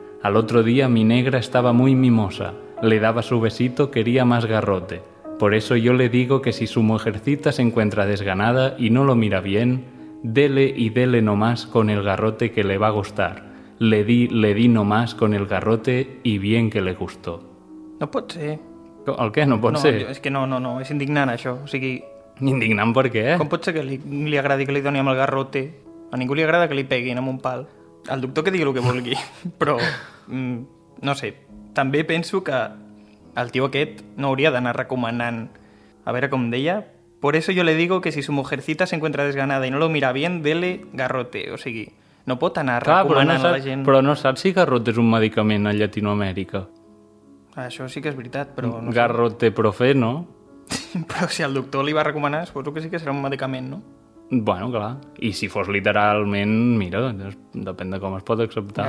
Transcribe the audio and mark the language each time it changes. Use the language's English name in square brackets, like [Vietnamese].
[Spanish] Al otro día mi negra estaba muy mimosa. Le daba su besito, quería más garrote. Por eso yo le digo que si su mujercita se encuentra desganada y no lo mira bien, dele y dele no más con el garrote que le va a gustar. Le di no más con el garrote y bien que le gustó. [Catalan] No pot ser. El què? No pot ser? No, és que no, és indignant això. O sigui... Indignant per què? Com pot ser que li agradi que li doni amb el garrote? A ningú li agrada que li peguin amb un pal. El doctor que digui el que vulgui, però... no sé, també penso que el tio aquest no hauria d'anar recomanant... A veure com deia... [Spanish] Por eso yo le digo que si su mujercita se encuentra desganada y no lo mira bien, dele garrote. [Catalan] O sigui, no pot anar recomanant a la gent... Però no saps si garrote és un medicament a Llatinoamèrica. Això sí que és veritat, però... No garrote profe, no? Però si el doctor li va recomanar, suposo que sí que serà un medicament, no? Bueno, clar. I si fos literalment, mira, depèn de com es pot acceptar.